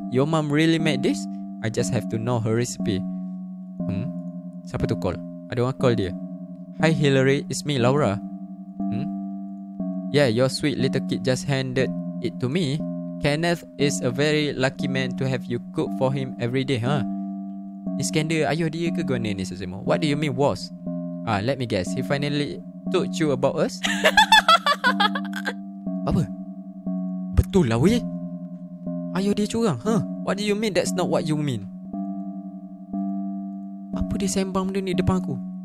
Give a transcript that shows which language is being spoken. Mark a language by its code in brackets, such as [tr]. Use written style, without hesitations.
[en] Your mom really made this? I just have to know her recipe. [ms] Hmm? Siapa tu call? Ada orang call dia. [en] Hi Hillary, it's me, Laura. Hmm? Yeah, your sweet little kid just handed it to me. Kenneth is a very lucky man to have you cook for him every day, huh? [ms] Iskander, ayuh dia ke guna ni sesemua? [en] What do you mean was? Ah, let me guess. He finally told you about us? [ms] Apa? Betul lah weh. Ayuh dia curang, huh? [en] What do you mean that's not what you mean? [ms] Apa dia sembang benda ni depan aku?